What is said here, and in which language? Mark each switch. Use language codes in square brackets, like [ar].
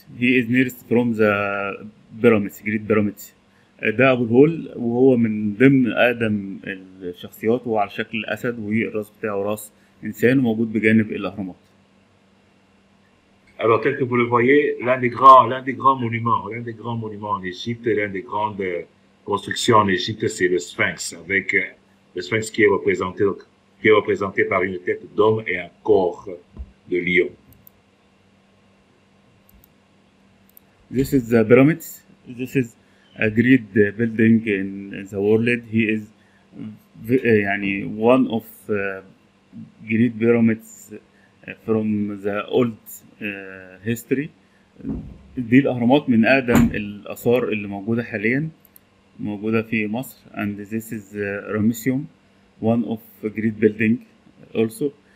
[en] He is nearest from the pyramids, great pyramids. [ar] ده أبو الهول, وهو من ضمن أقدم الشخصيات, وهو على شكل أسد والرأس بتاعه رأس إنسان, وموجود بجانب الأهرامات. [fr] Alors tel que vous le voyez, l'un des grands monuments en Égypte, l'un des grandes constructions en Égypte, c'est le Sphinx, avec le Sphinx qui est représenté par une tête d'homme et un corps de lion. [en] This is the pyramids. This is a great building in the world. He is يعني one of great pyramids from the old history. [ar] دي الأهرامات من أقدم الآثار اللي موجودة حاليا, موجودة في مصر. [en] And this is Ramesseum, one of great building also.